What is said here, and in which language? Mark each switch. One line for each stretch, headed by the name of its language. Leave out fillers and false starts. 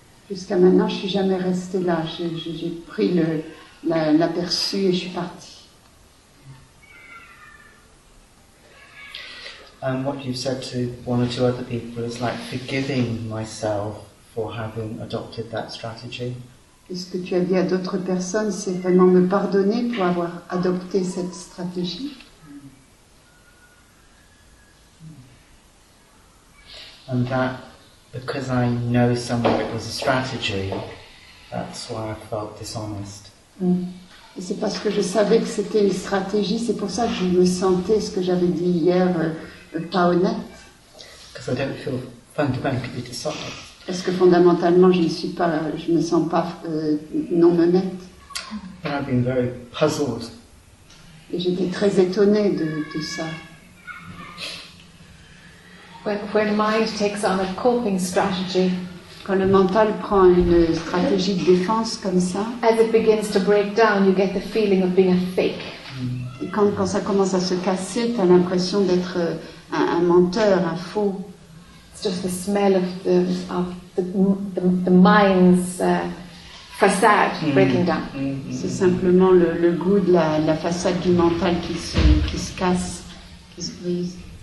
French: Jusqu'à maintenant, je suis jamais restée là. J'ai pris l'aperçu et je suis partie.
English: And what you've said to one or two other people is like forgiving myself for having adopted that strategy.
French: Ce que tu as dit à d'autres personnes, c'est vraiment me pardonner pour avoir adopté cette stratégie.
English: And that, because I know somewhere it was a strategy, that's why I felt dishonest.
French: Et c'est parce que je savais que c'était une stratégie, c'est pour ça que je me sentais ce que j'avais dit hier. Pas honnête.
English: Because I don't feel fundamentally dishonest.
French: Parce que fondamentalement, je me sens pas non honnête.
English: But I've been very puzzled.
French: Et j'étais très étonnée de ça.
English: When mind takes on a coping strategy,
French: quand le mental prend une stratégie de défense comme ça,
English: as it begins to break down, you get the feeling of being a fake.
French: Et quand ça commence à se casser, t'as l'impression d'être un menteur, un faux.
English: It's just the smell of the mind's facade breaking down.
French: C'est simplement le goût de la façade du mental qui se casse, qui se brise.